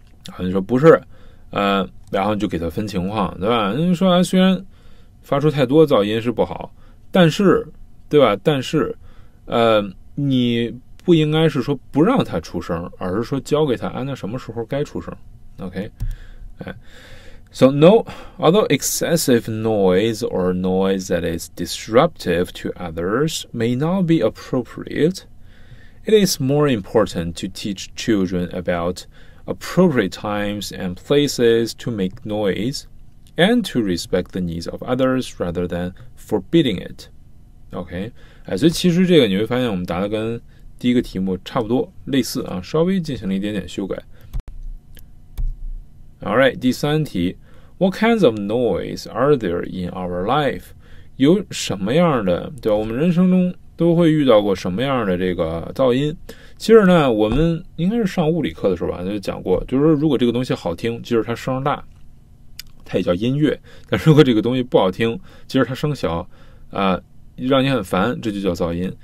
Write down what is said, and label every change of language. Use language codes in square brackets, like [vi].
[zh] 好像说不是，然后就给他分情况，对吧？你说啊，虽然发出太多噪音是不好，但是，对吧？但是，你不应该是说不让他出声，而是说教给他，那什么时候该出声 ？OK， 哎。 [en] So no, although excessive noise or noise that is disruptive to others may not be appropriate, it is more important to teach children about appropriate times and places to make noise and to respect the needs of others rather than forbidding it. [zh] Okay, 所以其实这个你会发现我们答的跟第一个题目差不多，类似啊，稍微进行了一点点修改。 All right, 第三题。 [en] What kinds of noise are there in our life? [zh] 有什么样的，对吧？我们人生中都会遇到过什么样的这个噪音？其实呢，我们应该是上物理课的时候吧，就讲过，就是说如果这个东西好听，即使它声大，它也叫音乐；但如果这个东西不好听，即使它声小，让你很烦，这就叫噪音。